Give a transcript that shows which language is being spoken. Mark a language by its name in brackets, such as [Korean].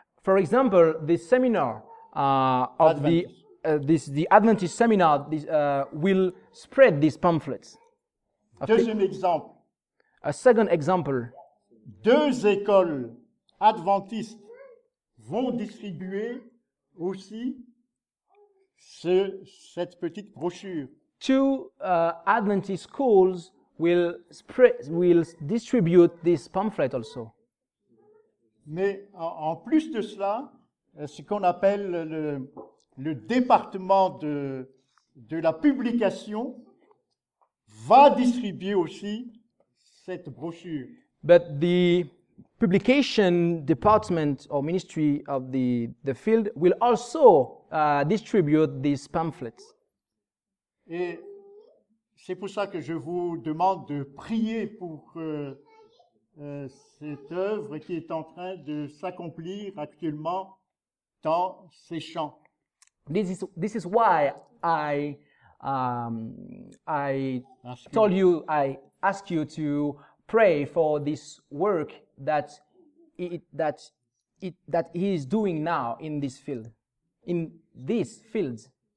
[English] For example, the seminar the Adventist seminar will spread these pamphlets. [French] Deuxième exemple. [English] A second example. [French] Deux écoles adventistes vont distribuer aussi cette petite brochure. [English] two Adventist schools will distribute this pamphlet also. [French] Mais en plus de cela, ce qu'on appelle le département de la publication va distribuer aussi cette brochure. [English] But the publication department or ministry of the field will also distribute these pamphlets. [French] Et c'est pour ça que je vous demande de prier pour cette œuvre qui est en train de s'accomplir actuellement dans ces champs. [English] This is why I told you, I ask you to pray for this work that he is doing now in this field, in these fields.